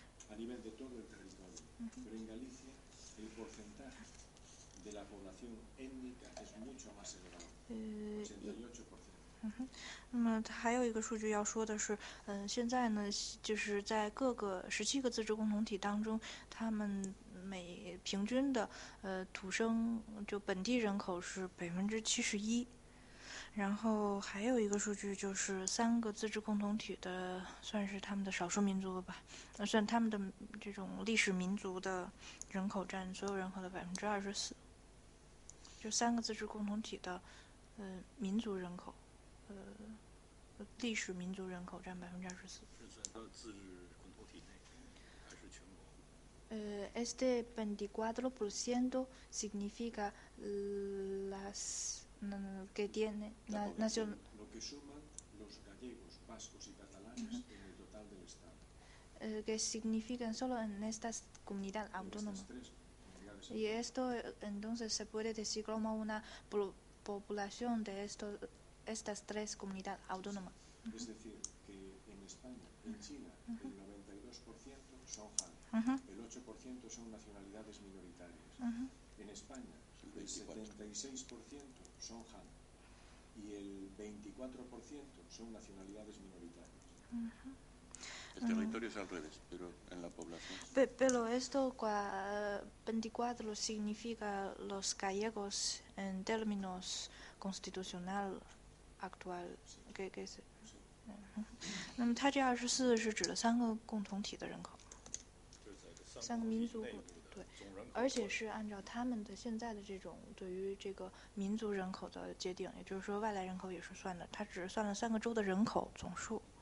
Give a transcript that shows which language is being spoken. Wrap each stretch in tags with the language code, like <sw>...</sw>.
<es>A nivel de todo el territorio. Pero en Galicia el porcentaje de la población étnica es mucho más elevado, 88%.</es> <zh>那么还有一个数据要说的是，现在呢，就是在各个17个自治共同体当中，他们每平均的土生就本地人口是71%。然后还有一个数据就是3个自治共同体的算是他们的少数民族吧，算他们的这种历史民族的人口占所有人口的24%，就3个自治共同体的民族人口。历史民族人口占24%。是算自治共同体内，还是全国？</zh> <es>Este 24% significa las que tiene la nación. Lo que suman los gallegos, vascos y catalanes en el total del Estado. Que significan solo en esta comunidad autónoma. Y esto entonces se puede decir como una población de estas tres comunidades autónomas. Es decir, que en España, en China, el 92% son han, el 8% son nacionalidades minoritarias. En España, el 76% son han y el 24% son nacionalidades minoritarias. El territorio es al revés, pero en la población. Pero esto 24 significa los gallegos en términos constitucional actual, que es.</es> <zh>那么它这24是指了3个共同体的人口，三个民族，对，而且是按照他们的现在的这种对于这个民族人口的界定，也就是说外来人口也是算的，它只是算了3个州的人口总数。</zh>